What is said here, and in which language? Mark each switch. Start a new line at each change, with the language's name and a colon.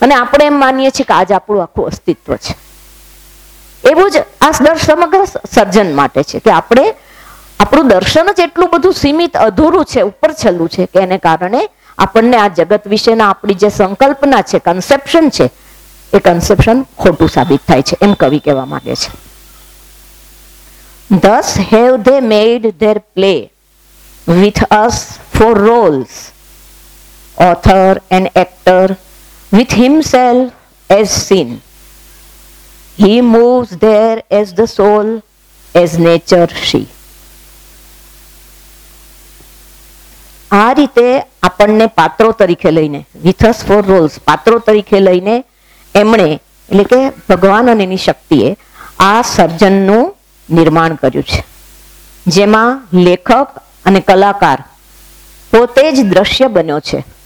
Gujarati: અને આપણે એમ માનીએ છીએ કે આજ આપણું આખું અસ્તિત્વ છે. એવું જ આ દર્શન સમગ્ર સર્જન માટે છે કે આપણે આપણું દર્શન જ એટલું બધું સીમિત, અધૂરું છે, ઉપર છેલ્લું છે, કે એને કારણે આપણને આ જગત વિશેના આપણી જે સંકલ્પના છે, કન્સેપ્શન છે, એ કન્સેપ્શન ખોટું સાબિત થાય છે, એમ કવિ કહેવા માંગે છે.
English: Thus have they made their play with us for roles, author and actor with himself as seen. He moves there as the soul, as nature she.
Gujarati: આ રીતે આપણને પાત્રો તરીકે લઈને,
English: with us for roles,
Gujarati: પાત્રો તરીકે લઈને એમણે, એટલે કે ભગવાન અને એની શક્તિએ આ સર્જનનું નિર્માણ કર્યું છે, જેમાં લેખક અને કલાકાર પોતે જ દ્રશ્ય બન્યો છે.